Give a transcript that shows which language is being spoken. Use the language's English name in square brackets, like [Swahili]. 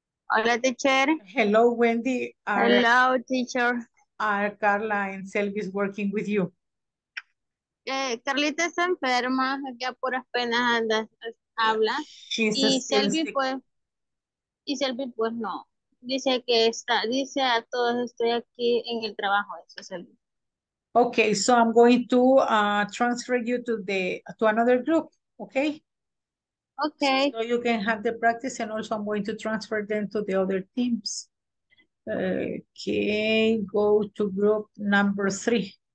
[Spanish] Hola, teacher. [English] Hello, Wendy. Hello, teacher. Are Carla and Selby is working with you? [Spanish] Carlita está enferma, ya por apenas anda, habla. Y Selby, pues no. Dice que está, dice a todos, estoy aquí en el trabajo. Eso, Selby. [English] Okay, so I'm going to transfer you to another group, okay? Okay. So you can have the practice, and also I'm going to transfer them to the other teams. Okay, go to group number 3.